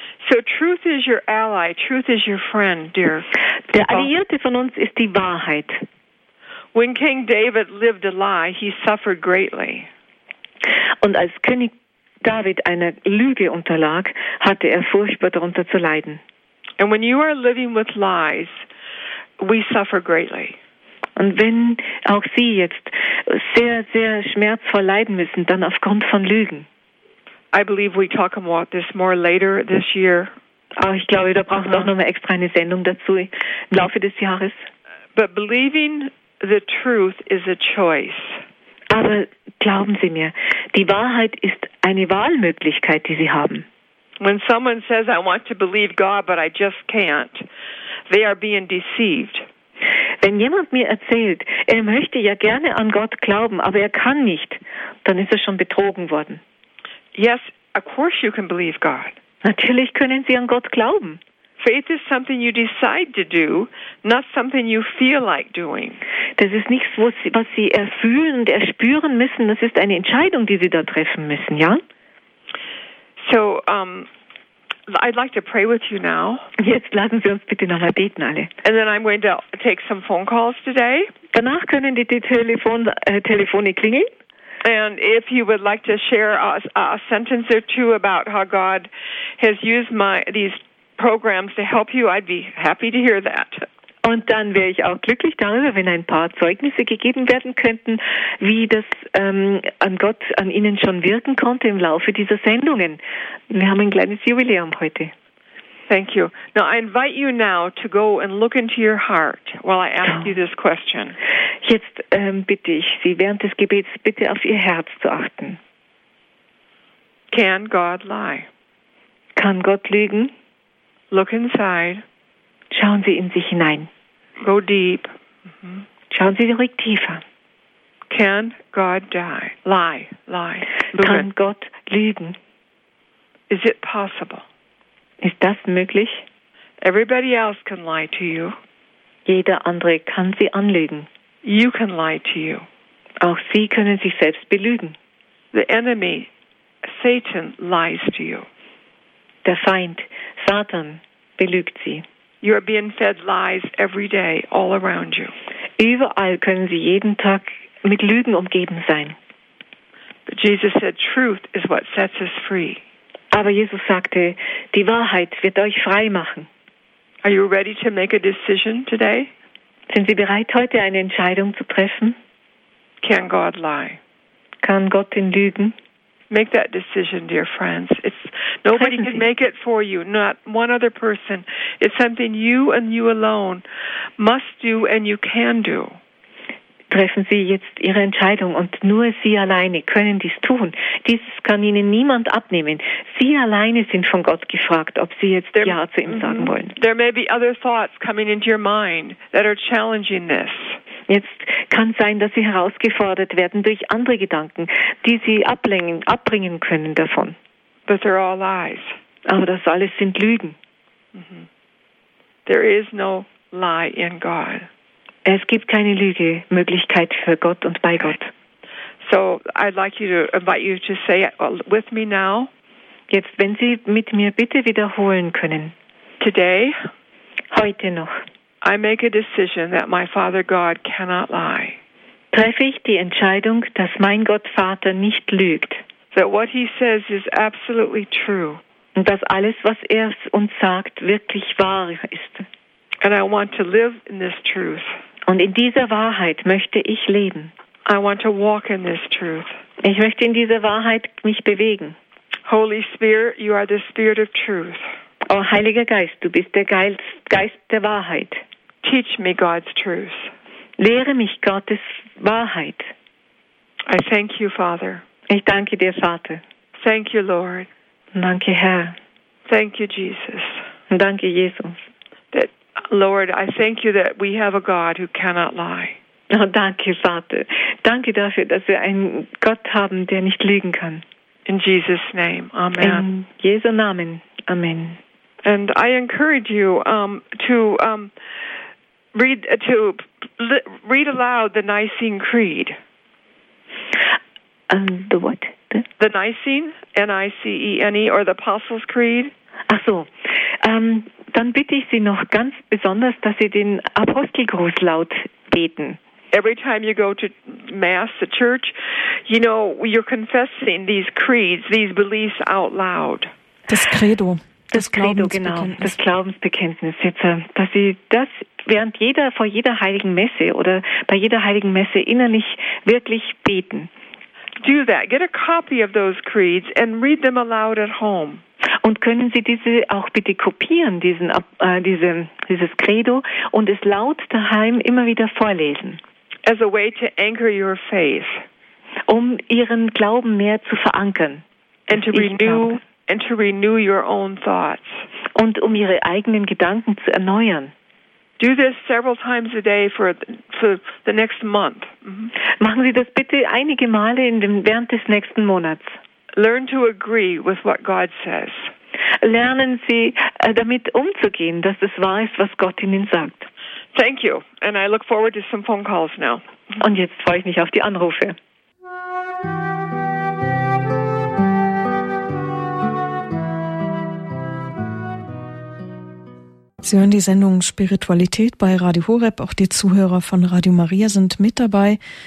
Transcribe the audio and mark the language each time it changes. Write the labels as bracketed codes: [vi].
[en] So truth is your ally, truth is your friend, dear. [de] Der Alliierte von uns ist die Wahrheit. [en] When King David lived a lie, he suffered greatly. [de] Und als König David einer Lüge unterlag, hatte er furchtbar darunter zu leiden. [en] And when you are living with lies, we suffer greatly. [de] Und wenn auch Sie jetzt sehr, sehr schmerzvoll leiden müssen, dann aufgrund von Lügen. [en] I believe we talk about this more later this year. [de] Aber ich glaube, da braucht es auch nochmal extra eine Sendung dazu im Laufe des Jahres. [en] But believing the truth is a choice. [de] Aber glauben Sie mir, die Wahrheit ist eine Wahlmöglichkeit, die Sie haben. [en] When someone says, I want to believe God, but I just can't, they are being deceived. [de] Wenn jemand mir erzählt, er möchte ja gerne an Gott glauben, aber er kann nicht, dann ist er schon betrogen worden. [en] Yes, of course you can believe God. [de] Natürlich können Sie an Gott glauben. [en] Faith is something you decide to do, not something you feel like doing. [de] Das ist nichts, was Sie erfüllen und erspüren müssen. Das ist eine Entscheidung, die Sie da treffen müssen, ja? [en] So, I'd like to pray with you now. [de] Jetzt lassen Sie uns bitte nochmal beten, alle. [en] And then I'm going to take some phone calls today. [de] Danach können die Telefone klingeln. [en] And if you would like to share a sentence or two about how God has used these programs to help you, I'd be happy to hear that. [de] Und dann wäre ich auch glücklich darüber, wenn ein paar Zeugnisse gegeben werden könnten, wie das an Gott, an Ihnen schon wirken konnte im Laufe dieser Sendungen. Wir haben ein kleines Jubiläum heute. [en] Thank you. Now I invite you now to go and look into your heart while I ask you this question. [de] Jetzt bitte ich Sie, während des Gebets bitte auf Ihr Herz zu achten. [en] Can God lie? [de] Kann Gott lügen? [en] Look inside. [de] Schauen Sie in sich hinein. [en] Go deep. [de] Schauen Sie ruhig tiefer. [en] Can God die? Lie. [de] Lügen. Kann Gott lügen? [en] Is it possible? [de] Ist das möglich? [en] Everybody else can lie to you. [de] Jeder andere kann Sie anlügen. [en] You can lie to you. [de] Auch Sie können sich selbst belügen. [en] The enemy, Satan, lies to you. [de] Der Feind, Satan, belügt Sie. [en] You are being fed lies every day, all around you. [de] Überall können Sie jeden Tag mit Lügen umgeben sein. [en] But Jesus said, "Truth is what sets us free." [de] Aber Jesus sagte, die Wahrheit wird euch frei machen. [en] Are you ready to make a decision today? [de] Sind Sie bereit, heute eine Entscheidung zu treffen? [en] Can God lie? [de] Kann Gott denn lügen? [en] Make that decision, dear friends. Nobody can make it for you, not one other person. It's something you and you alone must do and you can do. [de] Treffen Sie jetzt Ihre Entscheidung und nur Sie alleine können dies tun. Dieses kann Ihnen niemand abnehmen. Sie alleine sind von Gott gefragt, ob Sie jetzt Ja zu ihm sagen wollen. [en] There may be other thoughts coming into your mind that are challenging this. [de] Jetzt kann sein, dass Sie herausgefordert werden durch andere Gedanken, die Sie abbringen können davon. [en] But they're all lies. [de] Aber das alles sind Lügen. [en] There is no lie in God. [de] Es gibt keine Lügemöglichkeit für Gott und bei Gott. [en] So I'd like you to invite you to say with me now. [de] Jetzt, wenn Sie mit mir bitte wiederholen können. [en] Today. [de] Heute noch. [en] I make a decision that my Father God cannot lie. [de] Treffe ich die Entscheidung, dass mein Gott Vater nicht lügt. [en] That what he says is absolutely true. [de] Und dass alles, was uns sagt, wirklich wahr ist. [en] And I want to live in this truth. [de] Und in dieser Wahrheit möchte ich leben. [en] I want to walk in this truth. [de] Ich möchte in dieser Wahrheit mich bewegen. [en] Holy Spirit, you are the Spirit of truth. [de] Oh, Heiliger Geist, du bist der Geist der Wahrheit. [en] Teach me God's truth. [de] Lehre mich Gottes Wahrheit. [en] I thank you, Father. [de] Ich danke dir, Vater. [en] Thank you, Lord. [de] Danke, Herr. [en] Thank you, Jesus. [de] Danke, Jesus. [en] Lord, I thank you that we have a God who cannot lie. [de] Oh, danke, Vater. Danke dafür, dass wir einen Gott haben, der nicht lügen kann. [en] In Jesus' name, Amen. [de] In Jesu Namen, Amen. [en] And I encourage you to read aloud the Nicene Creed. The what? The Nicene, N-I-C-E-N-E, or the Apostles' Creed. [de] Ach so. Dann bitte ich Sie noch ganz besonders, dass Sie den Apostelgruß laut beten. [en] Every time you go to Mass, the church, you know, you're confessing these creeds, these beliefs out loud. [de] Das Credo. Das Credo, genau. Das Glaubensbekenntnis. Jetzt, dass Sie das während vor jeder heiligen Messe oder bei jeder heiligen Messe innerlich wirklich beten. [en] Do that. Get a copy of those creeds and read them aloud at home. [de] Und können Sie diese auch bitte kopieren, dieses Credo, und es laut daheim immer wieder vorlesen? [en] As a way to anchor your faith. [de] Um Ihren Glauben mehr zu verankern. [en] And to renew your own thoughts. [de] Und um Ihre eigenen Gedanken zu erneuern. [en] Do this several times a day for the next month. [de] Machen Sie das bitte einige Male während des nächsten Monats. [en] Learn to agree with what God says. [de] Lernen Sie damit umzugehen, dass es wahr ist, was Gott Ihnen sagt. [en] Thank you, and I look forward to some phone calls now. [de] Und jetzt freue ich mich auf die Anrufe. Sie hören die Sendung Spiritualität bei Radio Horeb. Auch die Zuhörer von Radio Maria sind mit dabei.